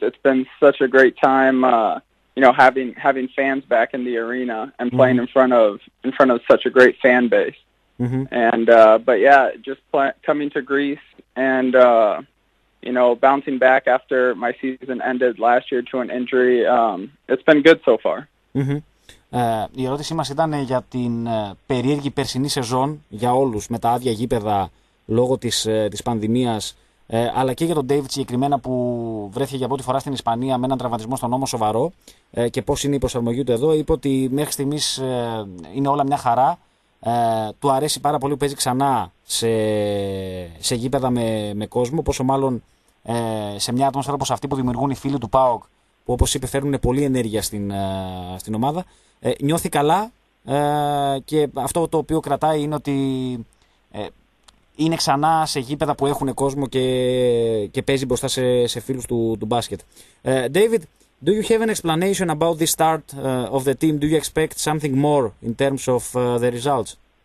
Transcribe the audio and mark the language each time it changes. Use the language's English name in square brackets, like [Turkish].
[English] It's been such a great time, you know, having fans back in the arena and playing mm-hmm. in front of such a great fan base. Mm-hmm. And, but yeah, just coming to Greece and, you know, bouncing back after my season ended last year to an injury. It's been good so far. Mm-hmm. [Greek] Η ερώτησή μας ήταν για την περίεργη περσινή σεζόν για όλους με τα άδεια γήπεδα λόγω της πανδημίας, αλλά και για τον David συγκεκριμένα που βρέθηκε για πρώτη φορά στην Ισπανία με έναν τραυματισμό στον ώμο σοβαρό και πώς είναι η προσαρμογή του εδώ. Είπε ότι μέχρι στιγμής είναι όλα μια χαρά. Του αρέσει πάρα πολύ που παίζει ξανά σε γήπεδα με κόσμο, πόσο μάλλον σε μια ατμόσφαιρα όπως αυτή που δημιουργούν οι φίλοι του ΠΑΟΚ, που όπως είπε φέρνουν πολύ ενέργεια στην ομάδα. Νιώθει καλά και αυτό το οποίο κρατάει είναι ότι είναι ξανά σε γήπεδα που έχουν κόσμο και παίζει μπροστά σε φίλους του μπάσκετ. [English] David, do you have an explanation about the start of the team? Do you expect something more in terms of the results?